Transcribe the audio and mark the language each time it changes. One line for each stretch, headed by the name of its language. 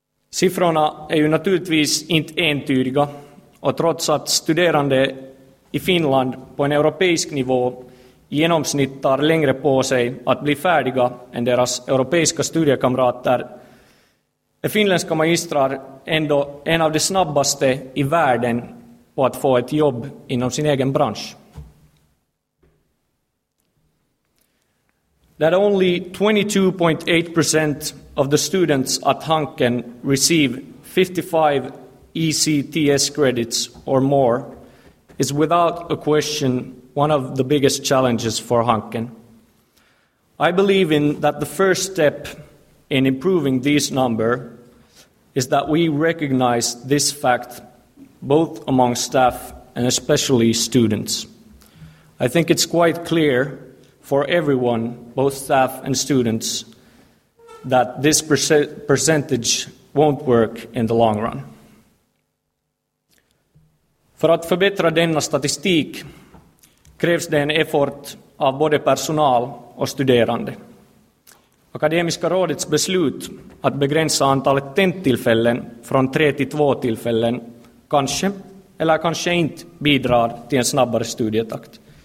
Swedish: Siffrorna är ju naturligtvis inte entydiga och trots att studerande i Finland på en europeisk nivå genomsnitt tar längre på sig att bli färdiga än deras europeiska studiekamrater är finländska magistrar ändå en av de snabbaste i världen på att få ett jobb inom sin egen bransch.
English: That only 22.8% of the students at Hanken receive 55 ECTS credits or more is without a question one of the biggest challenges for Hanken. I believe in that the first step in improving this number is that we recognize this fact both among staff and especially students. I think it's quite clear for everyone, both staff and students, that this percentage won't work in the long run.
Swedish: För att förbättra denna statistik krävs det en effort av både personal och studerande. Akademiska rådets beslut att begränsa antalet tenttillfällen från 3 till 2 tillfällen kanske eller kanske inte bidrar till en snabbare studietakt.